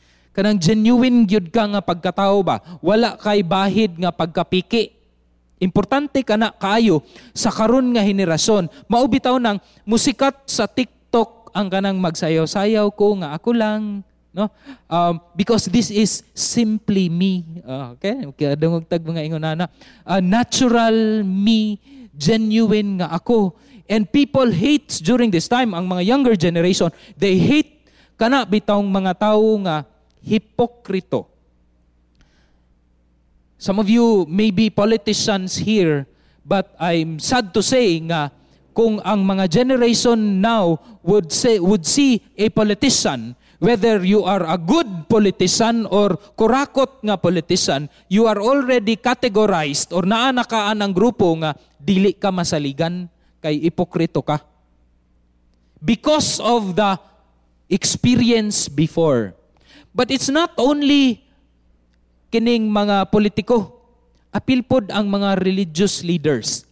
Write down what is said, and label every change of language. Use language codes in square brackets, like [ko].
[ceb] Kanang genuine gyud ka nga pagkatao ba, wala kay bahid nga pagkapiki. Importante kana kaayo sa karon nga henerasyon. Maubitaw nang musikat sa TikTok ang kanang magsayaw-sayaw ko nga ako lang, no? [en] Because this is simply me. [ceb] Okay? Kaya dungog tag mga ingonana. [en] Natural me, [ceb] genuine nga ako. [en] And people hate during this time, [ceb] ang mga [en] younger generation, they hate [ceb] kana bitawng mga tao nga hipokrito. [en] Some of you may be politicians here, but I'm sad to say [ceb] nga kung ang mga [en] generation now would see a politician, whether you are a good politician or [ceb] kurakot nga [en] politician, you are already categorized or [ceb] naanakaan ang grupo nga dili ka masaligan kay ipokrito ka. [en] Because of the experience before. But it's not only [ceb] kining mga politiko. Apil pod ang mga [en] religious leaders.